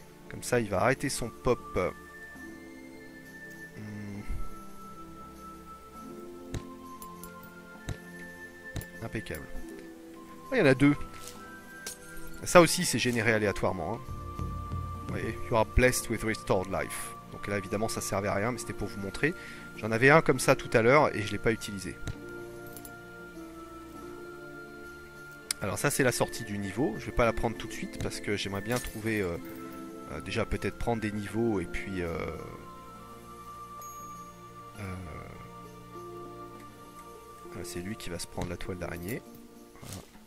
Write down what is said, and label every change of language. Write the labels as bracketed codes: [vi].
[fr] Comme ça, il va arrêter son pop. Impeccable. Il y en a deux. Ça aussi, c'est généré aléatoirement, hein. [en] Et you are blessed with restored life. [fr] Donc là, évidemment, ça servait à rien, mais c'était pour vous montrer. J'en avais un comme ça tout à l'heure et je l'ai pas utilisé. Alors ça, c'est la sortie du niveau. Je vais pas la prendre tout de suite parce que j'aimerais bien trouver déjà peut-être prendre des niveaux et puis c'est lui qui va se prendre la toile d'araignée. Voilà.